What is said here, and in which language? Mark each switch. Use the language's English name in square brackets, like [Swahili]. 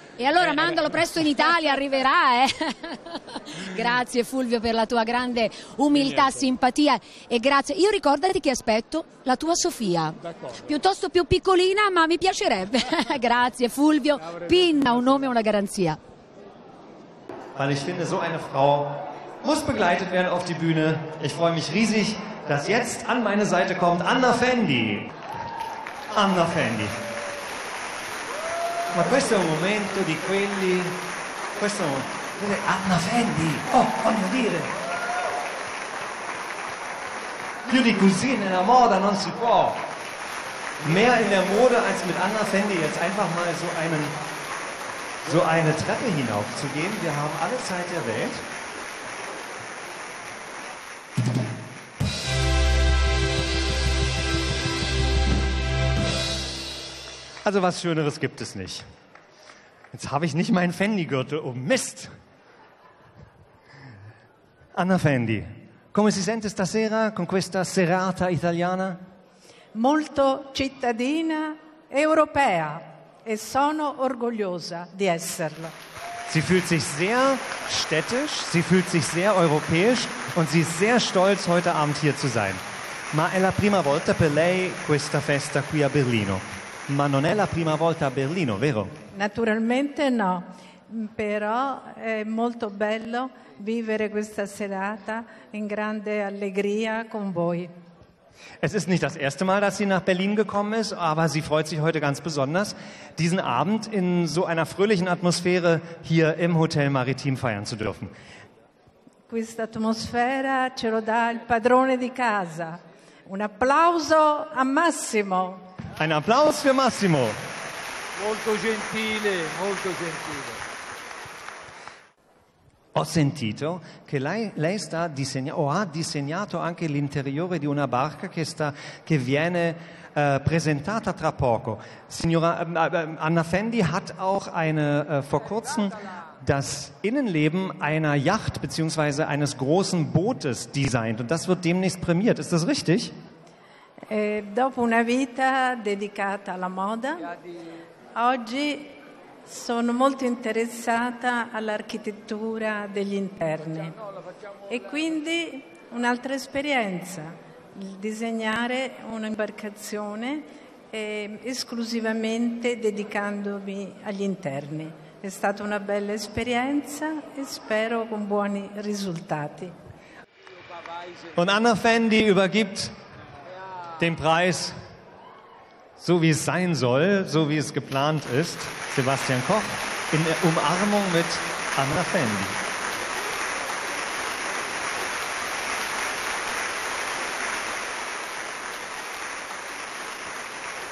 [Italian] E allora mandalo presto in Italia, arriverà, eh? Grazie Fulvio per la tua grande umiltà, simpatia e grazie. Io ricordati che aspetto la tua Sofia, d'accordo. Piuttosto più piccolina, ma mi piacerebbe. Grazie Fulvio Pinna, un nome e una garanzia. [German] Weil ich finde, so eine Frau muss begleitet werden auf die Bühne. Ich freue mich riesig, dass jetzt an meine Seite kommt Anna Fendi. Anna Fendi. [Italian] Ma questo è un momento di quelli... Questo è un momento... Anna Fendi! Oh, voglio dire! Più di così nella moda non si può! [German] Mehr in der Mode als mit Anna Fendi jetzt einfach mal so eine Treppe hinaufzugehen. Wir haben alle Zeit der Welt. Also was Schöneres gibt es nicht. Jetzt habe ich nicht meinen Fendi-Gürtel um. Mist! [Italian] Anna Fendi, come si sente stasera con questa serata italiana? Molto cittadina europea e sono orgogliosa di esserlo. [German] Sie fühlt sich sehr städtisch, sie fühlt sich sehr europäisch und sie ist sehr stolz, heute Abend hier zu sein. [Italian] Ma è la prima volta per lei questa festa qui a Berlino. Ma non è la prima volta a Berlino, vero? Naturalmente no, però è molto bello vivere questa serata in grande allegria con voi. [German] Es ist nicht das erste Mal, dass sie nach Berlin gekommen ist, aber sie freut sich heute ganz besonders, diesen Abend in so einer fröhlichen Atmosphäre hier im Hotel Maritim feiern zu dürfen. [Italian] Questa atmosfera ce lo dà il padrone di casa. Un applauso a Massimo. [German] Ein Applaus für Massimo. [Italian] Molto gentile, molto gentile. Ho sentito che lei sta disegnando, o ha disegnato anche l'interiore di una barca che viene presentata tra poco. [German] Signora Anna Fendi hat auch eine vor kurzem das Innenleben einer Yacht bzw. eines großen Bootes designt und das wird demnächst prämiert. Ist das richtig? [Italian] Dopo una vita dedicata alla moda, oggi sono molto interessata all'architettura degli interni e quindi un'altra esperienza, disegnare un'imbarcazione esclusivamente dedicandomi agli interni. È stata una bella esperienza e spero con buoni risultati. [German] Und Anna Fendi übergibt den Preis, so wie es sein soll, so wie es geplant ist, Sebastian Koch, in der Umarmung mit Anna Fendi.